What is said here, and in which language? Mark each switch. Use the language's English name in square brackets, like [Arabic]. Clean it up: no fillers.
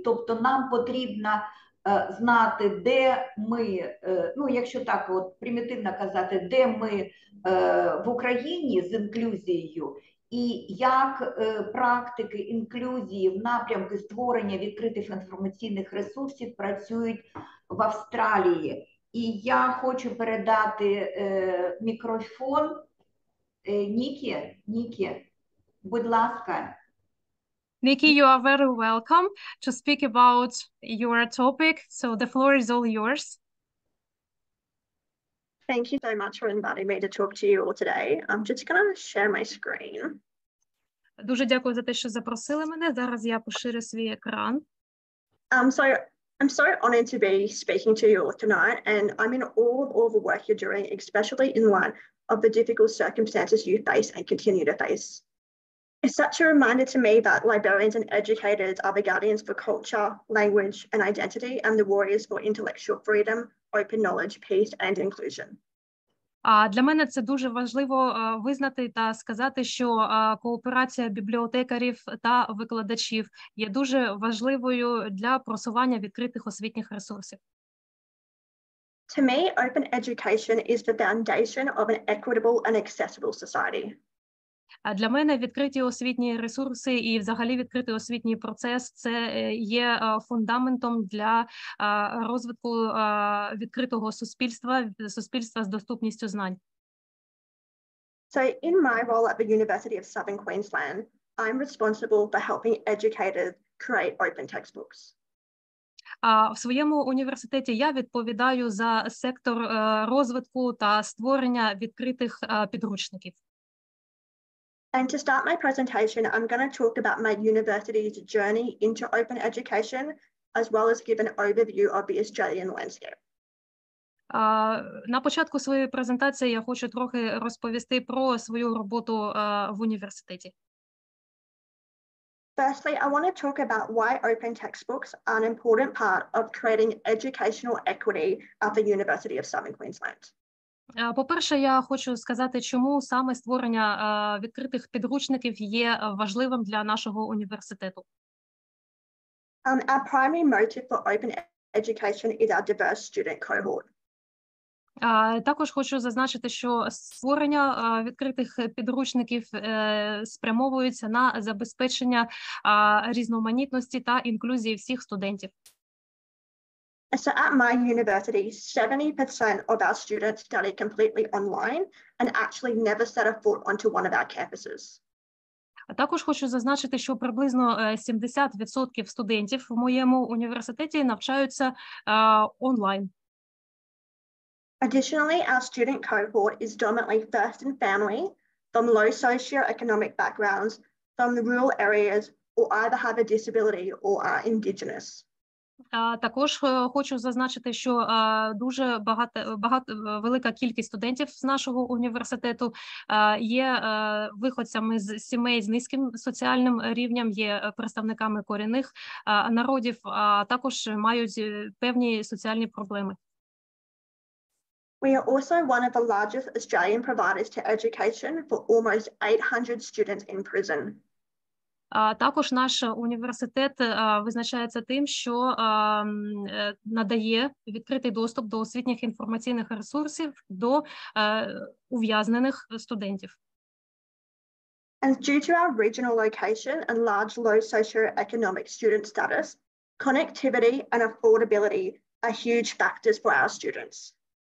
[Ukrainian] Тобто нам потрібно знати, де ми, ну якщо так от примітивно казати, де ми в Україні з інклюзією, і як практики інклюзії в напрямку створення відкритих інформаційних ресурсів працюють в Австралії. І я хочу передати мікрофон Нікі. Нікі, будь ласка. [English] Нікі, you are very welcome to speak about your topic. So the floor is all yours. Thank you so much for inviting me to talk to you all today. I'm just going to share my screen. [Ukrainian] Дуже дякую за те, що запросили мене. Зараз я поширю свій екран. [English] I'm so honored to be speaking to you tonight, and I'm in awe of all the work you're doing, especially in light of the difficult circumstances you face and continue to face. It's such a reminder to me that librarians and educators are the guardians for culture, language, and identity, and the warriors for intellectual freedom, open knowledge, peace, and inclusion. [Ukrainian] Для мене це дуже важливо визнати та сказати, що кооперація бібліотекарів та викладачів є дуже важливою для просування відкритих освітніх ресурсів. [English] To me, open education is the foundation of an equitable and accessible society. [Ukrainian] Для мене відкриті освітні ресурси і взагалі відкритий освітній процес – це є фундаментом для розвитку відкритого суспільства, суспільства з доступністю знань. [English] So in my role at the University of Southern Queensland, I'm responsible for helping educators create open textbooks. [Ukrainian] В своєму університеті я відповідаю за сектор розвитку та створення відкритих підручників. [English] And to start my presentation, I'm going to talk about my university's journey into open education, as well as give an overview of the Australian landscape. [Ukrainian] На початку своєї презентації я хочу трохи розповісти про свою роботу в університеті. [English] Firstly, I want to talk about why open textbooks are an important part of creating educational equity at the University of Southern Queensland. [Ukrainian] По-перше, я хочу сказати, чому саме створення відкритих підручників є важливим для нашого університету. [English] Our primary motive for open education is our diverse student cohort. [Ukrainian] Також хочу зазначити, що створення відкритих підручників спрямовується на забезпечення різноманітності та інклюзії всіх студентів. [English] So at my university, 70% of our students study completely online and actually never set a foot onto one of our campuses. [Ukrainian] Також хочу зазначити, що приблизно 70% студентів в моєму університеті навчаються онлайн. [English] Additionally, our student cohort is dominantly first in family, from low socioeconomic backgrounds, from the rural areas, or either have a disability or are Indigenous. [Ukrainian] Також хочу зазначити, що дуже велика кількість студентів з нашого університету є виходцями з сімей з низьким соціальним рівнем, є представниками корінних народів, а також мають певні соціальні проблеми. [English] We are also one of the largest Australian providers to education for almost 800 students in prison. [Ukrainian] Також наш університет визначається тим, що надає відкритий доступ до освітніх інформаційних ресурсів до ув'язнених студентів. [English] And due to our regional location and large low socioeconomic student status, connectivity and affordability are huge factors for our students.